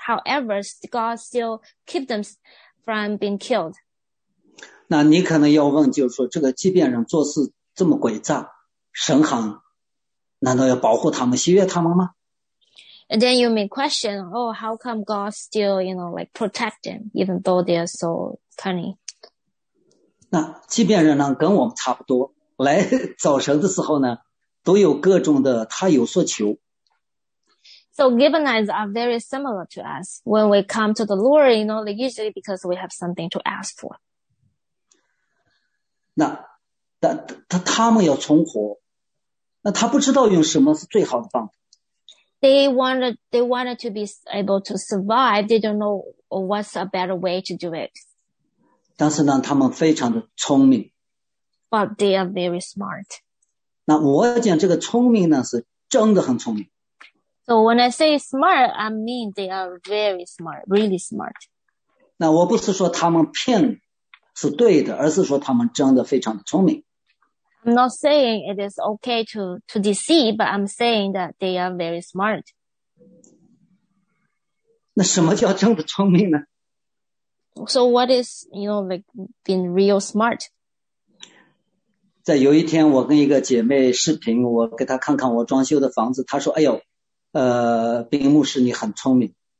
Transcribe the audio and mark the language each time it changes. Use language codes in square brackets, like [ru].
[en] However, God still kept them from being killed. [zh] 那你可能要问，就是说这个基遍人做事这么诡诈，神行。难道要保护他们、喜悦他们吗？ [en] And then you may question, oh, how come God still, you know, like protect them, even though they are so cunning? [zh] 那即便人呢，跟我们差不多，来找神的时候呢，都有各种的他有所求。 [en] So Gibeonites are very similar to us. When we come to the Lord, you know, like usually because we have something to ask for. [zh] 那他们要存活。那他不知道用什么是最好的方法。 [en] They wanted to be able to survive. They don't know what's a better way to do it. [zh] 但是呢，他们非常的聪明。 [en] But they are very smart. [zh] 那我讲这个聪明呢，是真的很聪明。 [en] So when I say smart, I mean they are very smart, really smart. [zh] 那我不是说他们骗是对的，而是说他们真的非常的聪明。 [en] I'm not saying it is okay to deceive, but I'm saying that they are very smart. [zh] 那什么叫真的聪明呢？ [en] So what is, you know, like being real smart? [zh] 在有一天我跟一个姐妹视频，我给她看看我装修的房子，她说，哎呦，冰牧师你很聪明。